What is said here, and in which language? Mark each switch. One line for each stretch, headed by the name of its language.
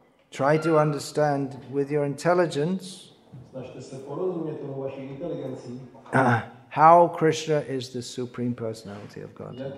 English: Try to understand with your intelligence.
Czech: Snažte se porozumět tomu vaší inteligenci.
English: How Krishna is the supreme personality of God.